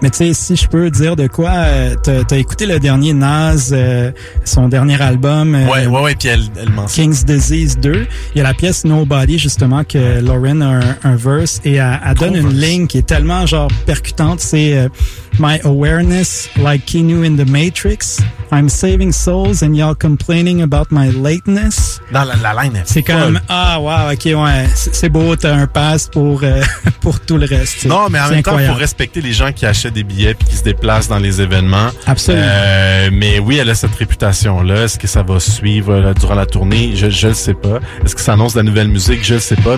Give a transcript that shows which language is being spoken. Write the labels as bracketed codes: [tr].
[fr] Mais tu sais, si je peux dire de quoi, t'as écouté le dernier Nas, son dernier album. Ouais. Puis elle mentionne. King's Disease 2. Il y a la pièce Nobody, justement, que Lauryn a un verse et elle donne une ligne qui est tellement, genre, percutante. C'est [en] My awareness, like Keanu in the Matrix. I'm saving souls and y'all complaining about my lateness. [fr] Dans la line. C'est comme, ah, wow, ok, ouais, c'est beau, t'as un pass pour tout le reste. Non, mais c'est même incroyable. Temps, pour respecter les gens qui achètent des billets puis qui se déplacent dans les événements. Absolument. Mais oui, elle a cette réputation-là. Est-ce que ça va suivre là, durant la tournée? Je le sais pas. Est-ce que ça annonce de la nouvelle musique? Je le sais pas.